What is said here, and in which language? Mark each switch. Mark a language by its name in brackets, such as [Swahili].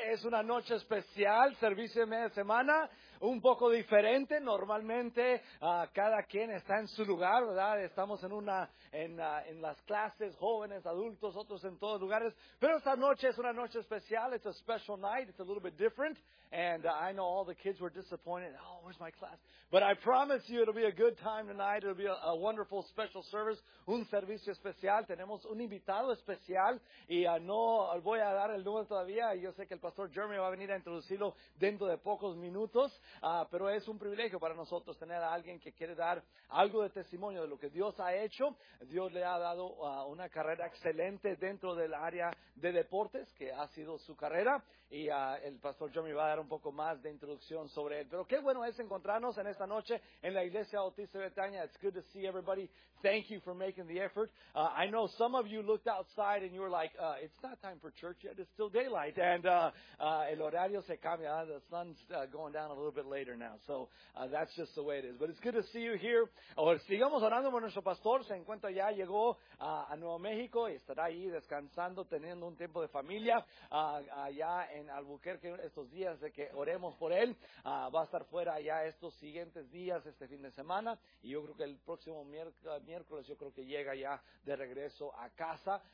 [Spanish] Es una noche especial, servicio de media semana, un poco diferente. Normalmente cada quien está en su lugar, ¿verdad? Estamos en las clases, jóvenes, adultos, otros en todos lugares. Pero esta noche es una noche especial. [English] It's a special night. It's a little bit different. And I know all the kids were disappointed. Oh, where's my class? But I promise you it'll be a good time tonight. It'll be a wonderful special service. [Spanish] Un servicio especial. Tenemos un invitado especial. Y no voy a dar el número todavía. Yo sé que el pastor Jeremy va a venir a introducirlo dentro de pocos minutos. Pero es un privilegio para nosotros tener a alguien que quiere dar algo de testimonio de lo que Dios ha hecho. Dios le ha dado una carrera excelente dentro del área de deportes, que ha sido su carrera. Y el pastor Jeremy va a dar un poco más de introducción sobre él. Pero qué bueno es encontrarnos en esta noche en la Iglesia Bautista Betania. [English] It's good to see everybody. Thank you for making the effort. I know some of you looked outside and you were like, it's not time for church yet. It's still daylight. And [Spanish] el horario se cambia. [English] The sun's going down a little bit later now. So that's just the way it is. But it's good to see you here. [Spanish] Sigamos orando por nuestro pastor. Se encuentra ya, llegó a Nuevo México y estará ahí descansando, teniendo un tiempo de familia allá en Albuquerque estos días, de que oremos por él. Va a estar fuera ya estos siguientes días, este fin de semana, y yo creo que el próximo miércoles yo creo que llega ya de regreso a casa.